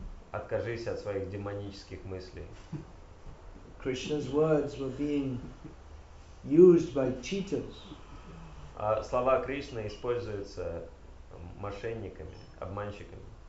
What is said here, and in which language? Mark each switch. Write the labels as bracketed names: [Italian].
[Russian] Откажись от своих демонических мыслей. [English] Krishna's words were being used by cheaters. [Russian] Слова Кришны используются мошенниками, обманщиками.